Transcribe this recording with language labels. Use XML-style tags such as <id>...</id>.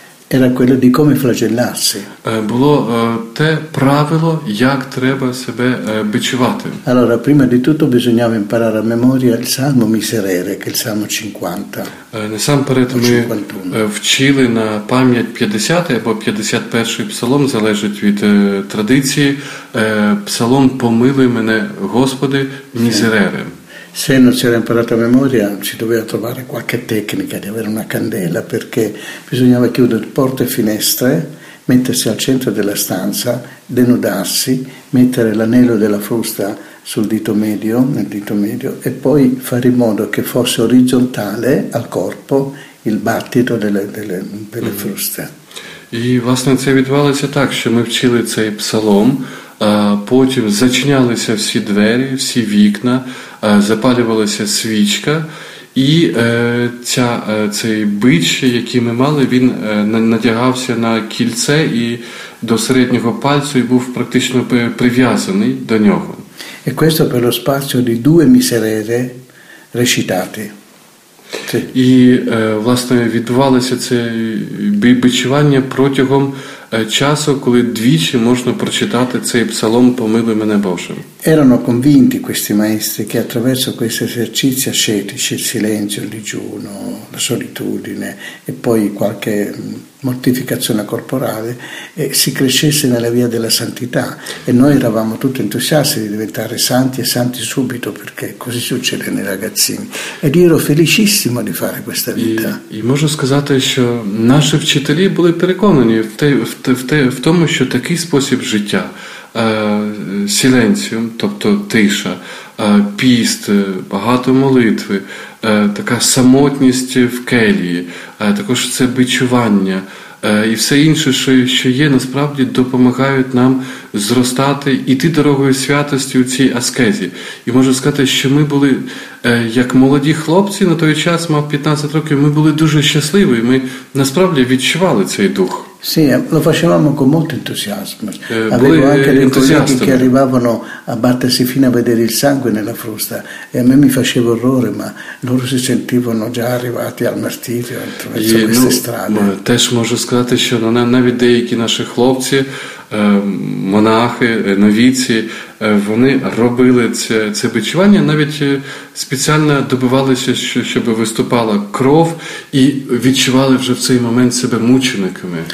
<it>era quello di come flagellarsi.</it> <uk>Було те правило, як треба себе бичувати.</uk> <it>Allora, prima di tutto bisognava imparare a memoria il Salmo Miserere, che è il Salmo 50.</it> <uk>Насамперед ми вчили на пам'ять 50-й або 51-й псалом, залежить від традиції, псалом «Помилуй мене, Господи, Мізерере».</uk> <it>Se non si era imparata a memoria, si doveva trovare qualche tecnica di avere una candela, perché bisognava chiudere porte e finestre, mettersi al centro della stanza, denudarsi, mettere l'anello della frusta sul dito medio, nel dito medio, e poi fare in modo che fosse orizzontale al corpo il battito delle fruste.</it> <uk>І, власне, це відбувалося так, що ми вчили цей псалом, потім зачинялися всі двері, всі вікна, запалювалася свічка, і цей бич, який ми мали, він надягався на кільце і до середнього пальцю і був практично прив'язаний до нього.</uk> <it>E questo per lo spazio di due miserere recitati.</it> <uk>І, власне, відбувалося це бичування протягом часу, коли двічі можна прочитати цей псалом «Помилуй мене, Боже».</uk> <it>Erano convinti questi maestri che attraverso questi esercizi ascetici, il silenzio, il digiuno, la solitudine e poi qualche mortificazione corporale, si crescesse nella via della santità. E noi eravamo tutti entusiasti di diventare santi e santi subito, perché così succede nei ragazzini. Ed io ero felicissimo di fare questa vita.</it> <uk>І можу сказати, що наші вчителі були переконані в тому, що такий спосіб життя – силенціум, тобто тиша, піст, багато молитви, така самотність в келії, також це бичування і все інше, що є, насправді допомагають нам зростати, іти дорогою святості у цій аскезі. І можу сказати, що ми були, як молоді хлопці, на той час мав 15 років, ми були дуже щасливі, ми насправді відчували цей дух.</uk> <it>Sì, lo facevamo con molto entusiasmo. Avevo anche dei colleghi che arrivavano a battersi fino a vedere il sangue nella frusta, e a me mi faceva orrore, ma loro si sentivano già arrivati al martirio attraverso queste strade. Ma,</it> <uk>теж можу сказати, що навіть деякі наші хлопці, монахи, новіці, вони робили це бичування, навіть спеціально добивалися, щоб виступала кров, і відчували вже в цей момент себе мучениками.</uk>